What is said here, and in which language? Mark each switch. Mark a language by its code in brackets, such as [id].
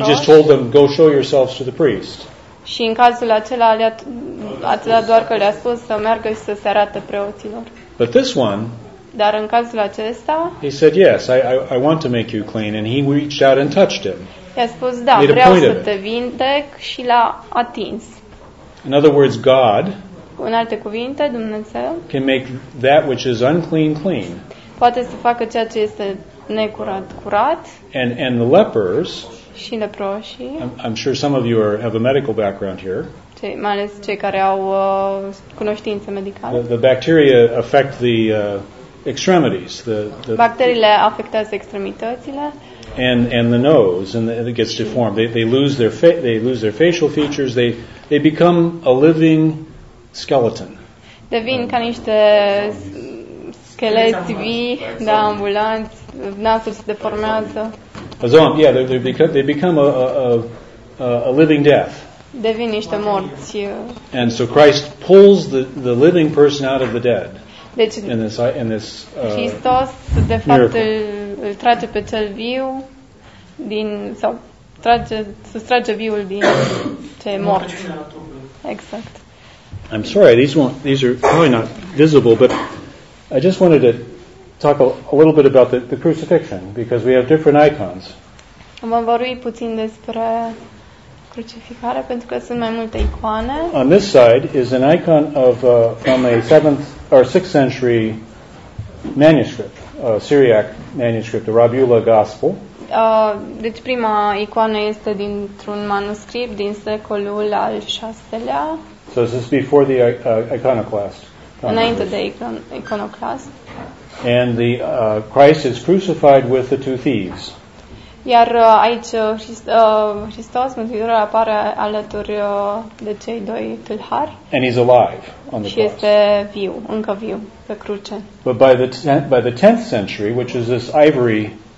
[en] He just told them, go show yourselves to the priest. [ro] Și în cazul acela le-a spus să meargă și să se arate preoților. [en] But this one, [ro] dar în cazul acesta, [en] he said, yes, I want to make you clean, and he reached out and touched him. [ro] I-a spus, da, vreau să te vindec și l-a atins. [en] In other words, God, [ro] în alte cuvinte, Dumnezeu, [en] can make that which is unclean clean. [ro] Poate să facă ceea ce este necurat curat. [en] And the lepers, [ro] și leproșii, [en] I'm sure some of you have a medical background here. [ro] Mai ales cei care au cunoștințe medicale. [en] The bacteria affect the extremities, the [ro] bacteriile afectează extremitățile. [en] And the nose, and it gets deformed. They lose their facial features. They become a living skeleton. [ro] Devin ca niște scheleți vii, da, ambulanți, nasul se deformează. [en] A zombie, yeah, they become a living death. [ro] Devin niște morți. [en] And so Christ pulls the living person out of the dead. [ro] Deci, Hristos, de fapt, îl trage pe cel viu din, sau sustrage viul din ce e mort. Exact. [en] I'm sorry, these are probably not visible, but I just wanted to talk a little bit about the crucifixion, because we have different icons. [ro] Vom vorbi puțin despre crucificare, pentru că sunt mai multe icoane. [en] On this side is an icon of from a 7th or 6th century manuscript, Syriac manuscript, the Rabiula Gospel. [ro] Deci prima icoană este dintr-un manuscript din secolul al VI-lea. [en] So this is before the iconoclast. [ro] Înainte de iconoclast. [en] And the Christ is crucified with the two thieves. [ro] Iar aici Hristos, Mântuitorul, apare alături de cei doi tâlhari. [en] And he's alive on the cross. [ro] Și este viu, încă viu, pe cruce. [en] But by the 10th century, which is this ivory.